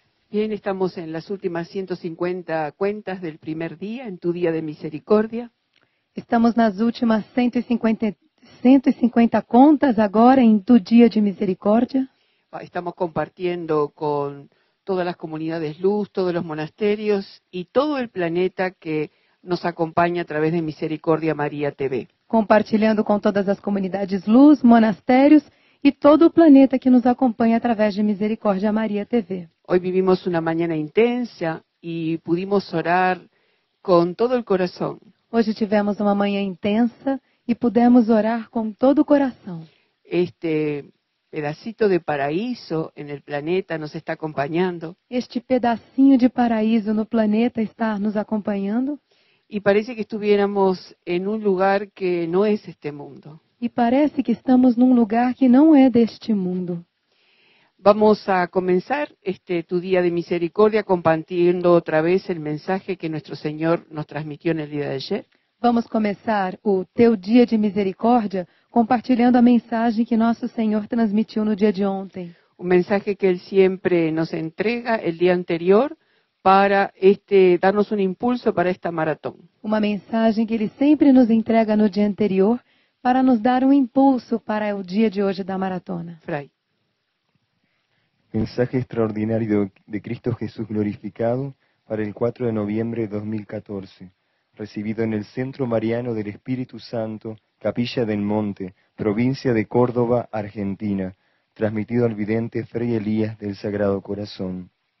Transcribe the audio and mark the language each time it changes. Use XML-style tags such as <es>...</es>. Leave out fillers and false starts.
<es>Bien, estamos en las últimas 150 cuentas del primer día, en tu día de misericordia.</es> <pt>Estamos nas últimas 150 contas agora em tu dia de misericórdia.</pt> <es>Estamos compartiendo con todas las comunidades luz, todos los monasterios y todo el planeta que nos acompaña a través de Misericordia María TV.</es> <pt>Compartilhando com todas as comunidades luz, monastérios e todo o planeta que nos acompanha através de Misericórdia Maria TV.</pt> <es>Hoy vivimos una mañana intensa y pudimos orar con todo el corazón.</es> <pt>Hoje tivemos uma manhã intensa e pudemos orar com todo o coração.</pt> <es>Este pedacito de paraíso en el planeta nos está acompañando.</es> <pt>Este pedacinho de paraíso no planeta está nos acompanhando.</pt> <es>Y parece que estuviéramos en un lugar que no es este mundo.</es> <pt>E parece que estamos num lugar que não é deste mundo.</pt> <es>Vamos a comenzar este tu día de misericordia compartiendo otra vez el mensaje que nuestro Señor nos transmitió en el día de ayer.</es> <pt>Vamos começar o teu dia de misericórdia compartilhando a mensagem que nosso Senhor transmitiu no dia de ontem.</pt> <es>Un mensaje que él siempre nos entrega el día anterior para darnos un impulso para esta maratón.</es> <pt>Uma mensagem que ele sempre nos entrega no dia anterior para nos dar um impulso para o dia de hoje da maratona.</pt> <es>Fray. Mensaje extraordinario de Cristo Jesús glorificado para el 4 de noviembre de 2014, recibido en el Centro Mariano del Espíritu Santo, Capilla del Monte, provincia de Córdoba, Argentina, transmitido al vidente Fray Elías del Sagrado Corazón.</es>